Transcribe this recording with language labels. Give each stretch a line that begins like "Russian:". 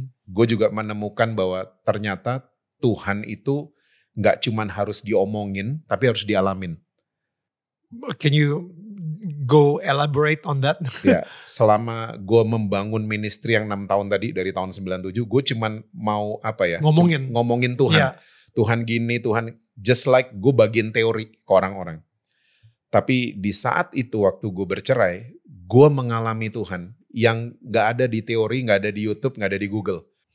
Indonesian: Gue juga menemukan bahwa ternyata Tuhan itu gak cuman harus diomongin, tapi harus dialamin.
English: Can you go elaborate on that?
Indonesian: Ya, selama gue membangun ministry yang 6 tahun tadi, dari tahun 97, gue cuman mau ngomongin. Ngomongin Tuhan. Yeah. Tuhan gini, Tuhan,
English: just like
Indonesian: gue bagiin teori ke orang-orang. Tapi di saat itu waktu gue bercerai, gue mengalami Tuhan yang gak ada di teori, gak ada di YouTube, gak ada di Google.